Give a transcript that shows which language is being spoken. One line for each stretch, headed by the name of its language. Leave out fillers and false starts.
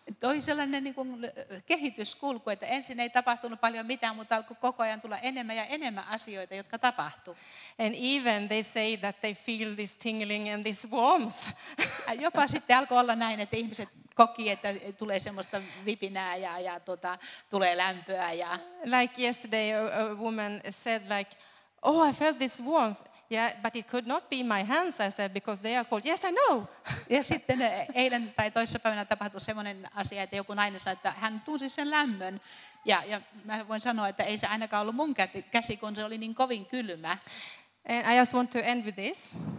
Finnish: Toi sellainen niin kuin kehityskulku, että ensin ei tapahtunut paljon mitään, mutta alkoi koko ajan tulla enemmän ja enemmän asioita, jotka tapahtuu.
English: And even they say that they feel this tingling and this warmth.
Finnish: Jopa sitten alkoi olla näin, että ihmiset koki, että tulee semmoista vipinää ja tulee lämpöä. Ja...
English: Like yesterday a woman said like, oh, I felt this warmth. Yeah, but it could not be my hands, I said, because they are cold. Yes, I know.
Finnish: Ja sitten eilen tai toissapäivänä tapahtui semmoinen asia, että joku nainen sanoi, että hän tunsi sen lämmön. Ja mä voin sanoa, että ei se ainakaan ollut mun käsi, kun se oli niin kovin kylmä.
English: And I just want to end with this.